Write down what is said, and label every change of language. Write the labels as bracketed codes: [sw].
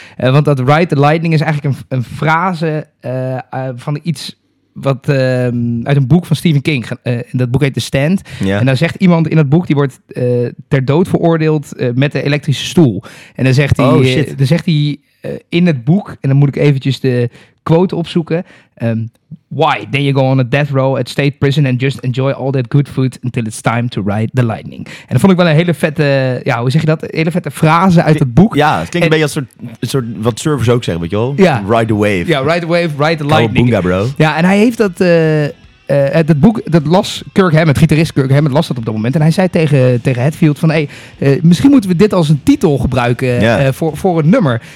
[nl] Want dat Ride the Lightning is eigenlijk een frase van iets... wat uit een boek van Stephen King. Dat boek heet The Stand. Ja. En daar zegt iemand in dat boek, die wordt ter dood veroordeeld met de elektrische stoel. En dan zegt hij in het boek, en dan moet ik eventjes de quote opzoeken. Why? [en] Then you go on a death row at state prison and just enjoy all that good food until it's time to ride the lightning. [nl] En dat vond ik wel een hele vette, ja, hoe zeg je dat? Een hele vette frase uit het boek. Ja, het klinkt een beetje als een soort wat surfers ook zeggen, weet je wel? Ja. [en] Ride the wave. Ja, ride the wave, ride the lightning. Cowabunga, bro. [nl] Ja, en hij heeft dat... dat boek, dat las Kirk Hammett, gitarist Kirk Hammett, las dat op dat moment. En hij zei tegen Hetfield van, hey, misschien moeten we dit als een titel gebruiken voor het nummer.